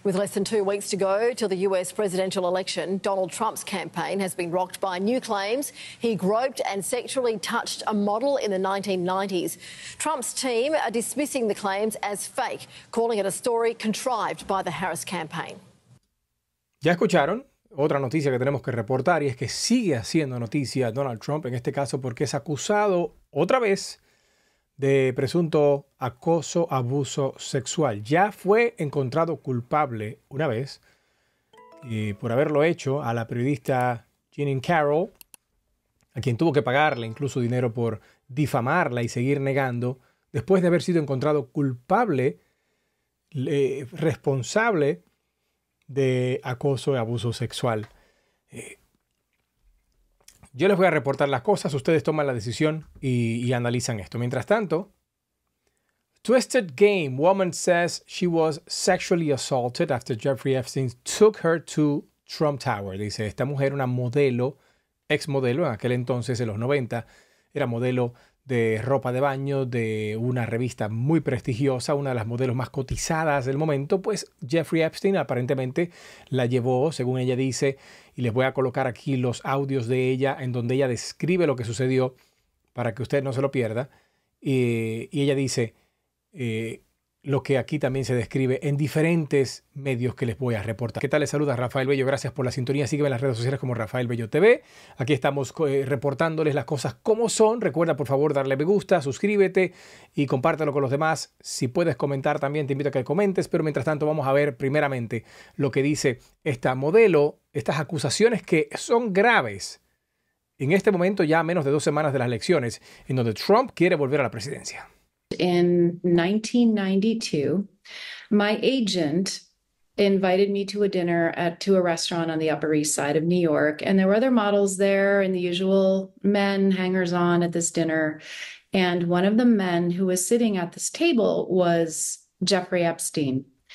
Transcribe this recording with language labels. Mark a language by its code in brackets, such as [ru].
[en] With less than 2 weeks to go till the US presidential election, Donald Trump's campaign has been rocked by new claims he groped and sexually touched a model in the 1990s. Trump's team are dismissing the claims as fake, calling it a story contrived by the Harris campaign. [es] ¿Ya escucharon? Otra noticia que tenemos que reportar, y es que sigue haciendo noticia Donald Trump, en este caso porque es acusado otra vez de presunto acoso, abuso sexual. Ya fue encontrado culpable una vez y por haberlo hecho a la periodista Jeanine Carroll, a quien tuvo que pagarle incluso dinero por difamarla y seguir negando, después de haber sido encontrado culpable, responsable de acoso y abuso sexual. Yo les voy a reportar las cosas, ustedes toman la decisión y analizan esto. Mientras tanto, [en] Twisted Game, woman says she was sexually assaulted after Jeffrey Epstein took her to Trump Tower. [es] Dice, esta mujer, una modelo, ex modelo, en aquel entonces, en los 90, era modelo de ropa de baño de una revista muy prestigiosa, una de las modelos más cotizadas del momento, pues Jeffrey Epstein aparentemente la llevó, según ella dice, y les voy a colocar aquí los audios de ella en donde ella describe lo que sucedió para que usted no se lo pierda. Y ella dice lo que aquí también se describe en diferentes medios que les voy a reportar. ¿Qué tal? Les saluda Rafael Bello. Gracias por la sintonía. Sígueme en las redes sociales como Rafael Bello TV. Aquí estamos reportándoles las cosas como son. Recuerda, por favor, darle me gusta, suscríbete y compártelo con los demás. Si puedes comentar también, te invito a que comentes. Pero mientras tanto, vamos a ver primeramente lo que dice esta modelo, estas acusaciones que son graves en este momento, ya a menos de 2 semanas de las elecciones, en donde Trump quiere volver a la presidencia. [en] In 1992, my agent invited me to a dinner to a restaurant on the Upper East Side of New York. And there were other models there and the usual men hangers-on at this dinner. And one of the men who was sitting at this table was Jeffrey Epstein.